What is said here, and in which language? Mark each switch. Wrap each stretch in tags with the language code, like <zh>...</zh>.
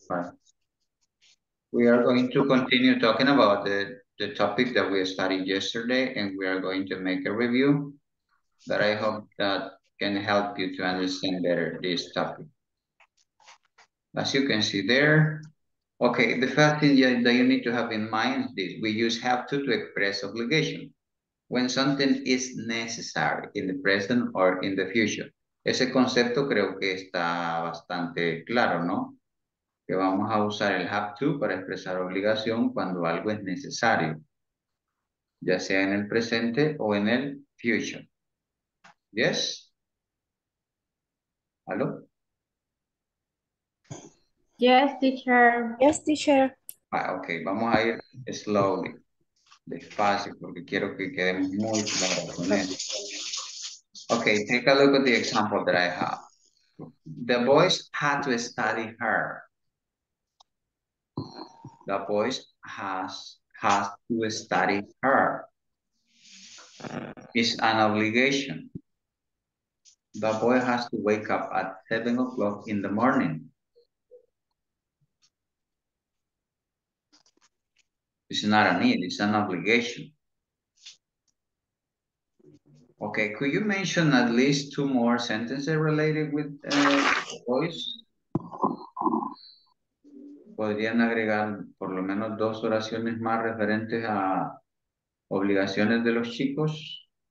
<en>But we are going to continue talking about the topic that we studied yesterday, and we are going to make a review that I hope that can help you to understand better this topic. As you can see there, okay, the first thing that you need to have in mind is this. We use have to express obligation when something is necessary in the present or in the future.</en> <es>Ese concepto creo que está bastante claro, ¿no? Que vamos a usar el have to para expresar obligación cuando algo es necesario, ya sea en el presente o en el future.</es> <en>¿Yes? ¿Aló? Yes, teacher. Yes, teacher.</en> <es>Ah, okay, vamos a ir slowly, despacio, porque quiero que quede muy claro con eso.</es> <en>Okay, take a look at the example that I have. The boys had to study hard. The boys has to study hard. It's an obligation. The boy has to wake up at 7 o'clock in the morning. It's not a need, it's an obligation. Okay, could you mention at least two more sentences related with boys?</en> <es>¿Podrían agregar por lo menos dos oraciones más referentes a obligaciones de los chicos?</es>